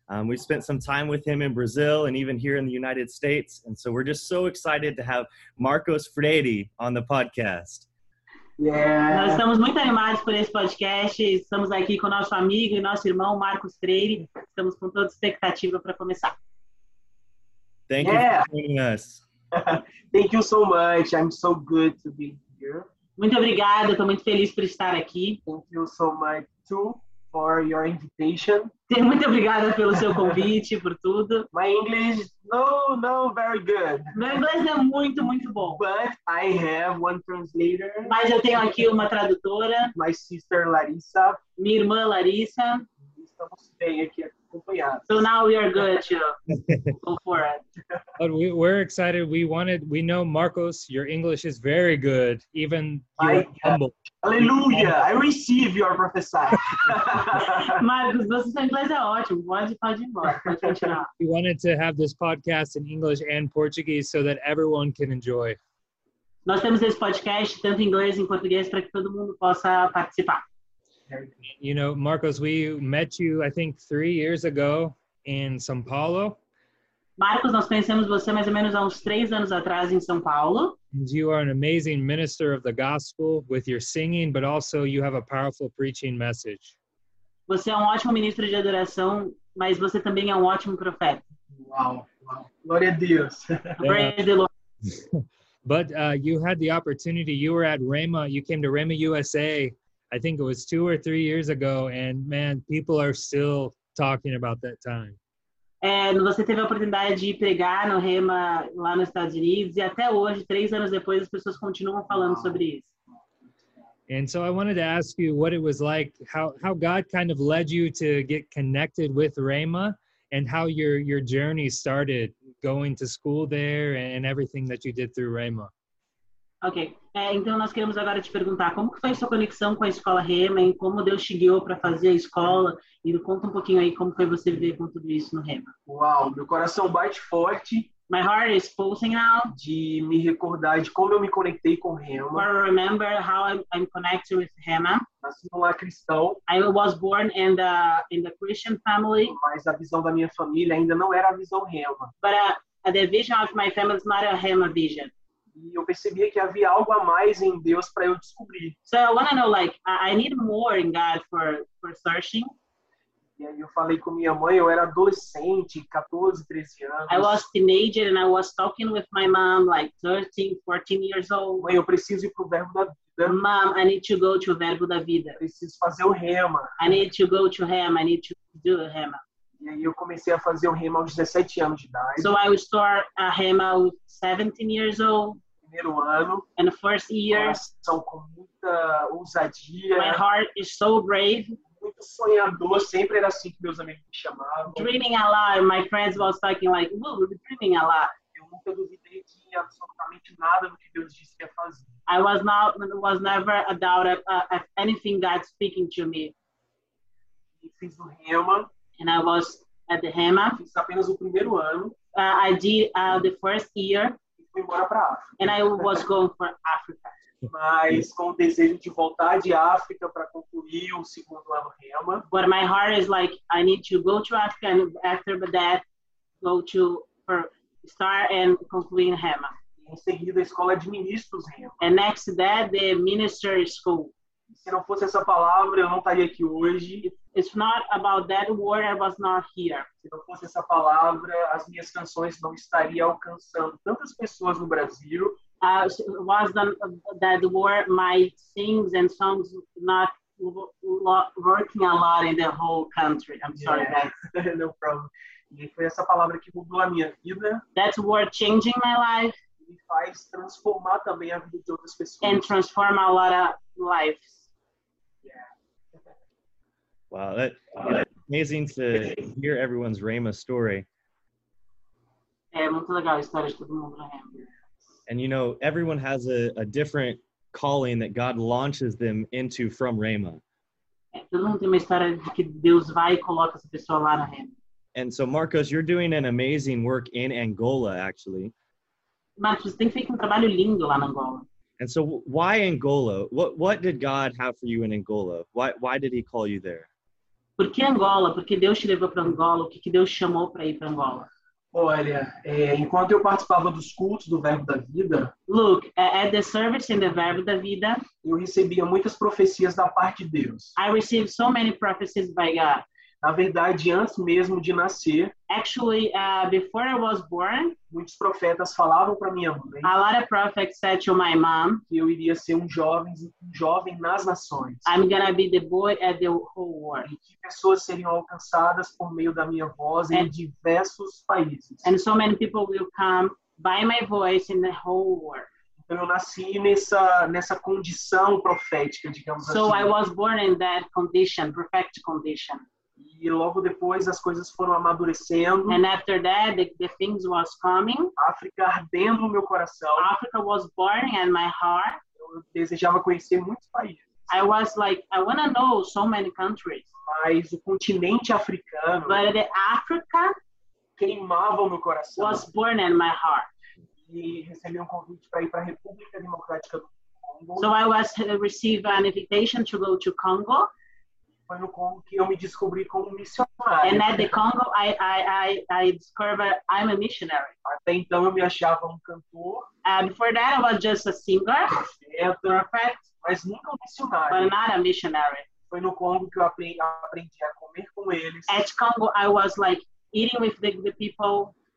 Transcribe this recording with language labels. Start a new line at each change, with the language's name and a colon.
English: We've spent some time with him in Brazil and even here in the United States. And so we're just so excited to have Marcos Freire on the podcast.
Portuguese: Yeah. Nós estamos muito animados por esse podcast. Estamos aqui com nosso amigo e nosso irmão, Marcos Freire. Estamos com toda expectativa para começar.
English: Thank you for joining us. Thank you so much. I'm so good to be here.
Portuguese: Muito obrigada. Estou muito feliz por estar aqui.
English: Thank you so much too for your invitation.
Portuguese: Muito obrigada pelo seu convite, por tudo.
English: My English, no, very good.
Portuguese: Meu inglês é muito, muito bom.
English: But I have one translator.
Portuguese: Mas eu tenho aqui uma tradutora.
English: My sister Larissa.
Portuguese: Minha irmã Larissa. Estamos bem aqui.
English: So now we are good to go for it. But we're excited. We know Marcos, your English is very good. Even humble. Hallelujah. I receive your prophecy.
Portuguese: Marcos, você inglês é ótimo. Pode continuar.
English: We wanted to have this podcast in English and Portuguese so that everyone can enjoy.
Portuguese: Nós temos esse podcast tanto em inglês e em português para que todo mundo possa participar.
English: You know, Marcos, we met you, I think, 3 years ago in São Paulo.
Portuguese: Marcos, nós conhecemos você mais ou menos há uns 3 anos atrás em São Paulo.
English: And you are an amazing minister of the gospel with your singing, but also you have a powerful preaching message.
Portuguese: Você é um ótimo ministro de adoração, mas você também é um ótimo profeta. Wow. Glória a Deus. Glória a Deus.
English: But you had the opportunity, you were at Rema, you came to Rema USA. I think it was 2 or 3 years ago, and man, people are still talking about that time.
Portuguese: And você teve a oportunidade de pregar no Rema lá nos Estados Unidos, e até hoje, 3 anos depois, as pessoas continuam falando sobre isso.
English: And so I wanted to ask you what it was like, how God kind of led you to get connected with Rema, and how your journey started going to school there and everything that you did through Rema.
Portuguese: Ok, então nós queremos agora te perguntar como que foi a sua conexão com a escola Rema e como Deus te guiou para fazer a escola e conta um pouquinho aí como foi você viver com tudo isso no Rema. Uau, meu coração bate forte.
English: My heart is pulsing now.
Portuguese: De me recordar de como eu me conectei com Rema.
English: I remember how I'm connected with Rema.
Portuguese: Nasci no lar cristão.
English: I was born in the Christian family.
Portuguese: Mas a visão da minha família ainda não era a visão Rema.
English: But the vision of my family is not a Rema vision.
Portuguese: E eu percebia que havia algo a mais em Deus para eu descobrir.
English: So I want to know, like, I need more in God for searching.
Portuguese: E aí eu falei com minha mãe, eu era adolescente, 14, 13 anos.
English: I was teenager and I was talking with my mom, like, 13, 14 years old.
Portuguese: Mãe, eu preciso ir pro Verbo da Vida.
English: Mom, I need to go to Verbo da Vida.
Portuguese: Eu preciso fazer o Rema.
English: I need to go to Rema, I need to do a Rema.
Portuguese: E aí eu comecei a fazer o Rema aos 17 anos de idade.
English: So I would start a Rema at 17 years old.
Portuguese: Primeiro ano.
English: And the first year.
Portuguese: Coração com muita ousadia.
English: My heart is so brave.
Portuguese: Muito sonhador. Sempre era assim que meus amigos me chamavam.
English: Dreaming a lot. My friends was talking like, we'll be dreaming a lot.
Portuguese: Eu nunca duvidei de absolutamente nada do que Deus disse que ia fazer.
English: I was never a doubt of anything God speaking to me.
Portuguese: E fiz o Rema.
English: And I was at the Rema.
Portuguese: Fiz apenas o primeiro ano.
English: I did the first year.
Portuguese: E fui embora para África.
English: And I was going for Africa.
Portuguese: Mas com o desejo de voltar de África para concluir o segundo ano Rema.
English: But my heart is like, I need to go to Africa and after that, go to for start and concluir Rema.
Portuguese: E em seguida, a escola de ministros Rema.
English: And next to that, the ministry school.
Portuguese: Se não fosse essa palavra, eu não estaria aqui hoje.
English: It's not about that word, I was not here.
Portuguese: Se não fosse essa palavra, as minhas canções não estariam alcançando tantas pessoas no Brasil.
English: Was that word, my things and songs not working a lot in the whole country. I'm sorry, guys. No problem.
Portuguese: E foi essa palavra que mudou a minha vida.
English: That word changing my life.
Portuguese: E faz transformar também a vida de outras pessoas.
English: And transform a lot of lives. Wow, that's amazing to hear everyone's Rema story.
Portuguese: É muito legal a história de todo mundo na Rema.
English: And you know, everyone has a different calling that God launches them into from Rema.
Portuguese: É, todo mundo tem uma história de que Deus vai e coloca essa pessoa lá na Rema.
English: And so, Marcos, you're doing an amazing work in Angola, actually.
Portuguese: Marcos, você tem feito um trabalho lindo lá na Angola.
English: And so why Angola? What did God have for you in Angola? Why did he call you there?
Portuguese: Por que Angola? Porque Deus te levou para Angola? O que, que Deus chamou para ir para Angola? Olha, enquanto eu participava dos cultos do Verbo da Vida,
English: look, at the service in the Verbo da Vida,
Portuguese: eu recebia muitas profecias da parte de Deus.
English: I received so many prophecies by God.
Portuguese: Na verdade, antes mesmo de nascer,
English: actually, before I was born,
Portuguese: muitos profetas falavam para minha mãe,
English: a lot of prophets said to my mom,
Portuguese: que eu iria ser um jovem nas nações.
English: I'm gonna be the boy at the whole world.
Portuguese: E que pessoas seriam alcançadas por meio da minha voz em diversos países.
English: And so many people will come by my voice in the whole world.
Portuguese: Eu nasci nessa condição profética, digamos
English: so
Portuguese: assim.
English: So I was born in that condition, prophetic condition.
Portuguese: E logo depois as coisas foram amadurecendo.
English: And after that, the things was coming.
Portuguese: África ardendo no meu coração.
English: Africa was burning in my heart.
Portuguese: Eu desejava conhecer muitos países.
English: I was like, I want to know so many countries.
Portuguese: Mas o continente africano.
English: But the Africa
Portuguese: queimava o meu coração.
English: Was burning in my heart.
Portuguese: E recebi um convite para ir para a República Democrática do Congo.
English: So I was received an invitation to go to Congo.
Portuguese: Foi no Congo que eu me descobri como missionário.
English: And at the Congo, I discovered I'm a missionary.
Portuguese: Até então eu me achava cantor.
English: Before that, I was just a singer.
Portuguese: Perfect. Mas nunca missionário.
English: But not a missionary.
Portuguese: Foi no Congo que eu aprendi a comer com eles.
English: At Congo, I was like eating with the people.